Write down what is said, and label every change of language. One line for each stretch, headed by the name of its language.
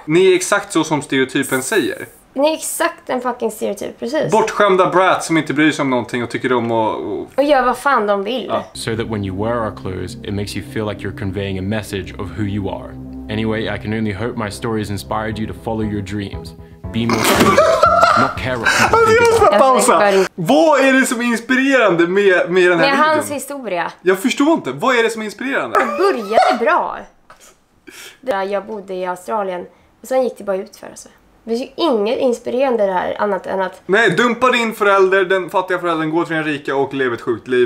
Swedish: Ni är exakt så som stereotypen säger. Ni är exakt en fucking stereotyp, precis. Bortskämda brat som inte bryr sig om någonting och tycker om att... Och gör vad fan de vill. Ja.
English: So that when you wear our clothes, it makes you feel like you're conveying a message of who you are. Anyway, I can only hope my story has inspired you to follow your dreams. Be more creative, not care what you think.
Swedish: Alltså, jag ska pausa. Vad är det som är inspirerande med den här videon? Med hans historia. Jag förstår inte. Vad är det som är inspirerande? Det började bra. Där jag bodde i Australien. Och sen gick det bara ut för sig. Det finns ju inget inspirerande det här, annat än att... Nej, dumpa din förälder, den fattiga föräldern, går till den rika och lever ett sjukt liv.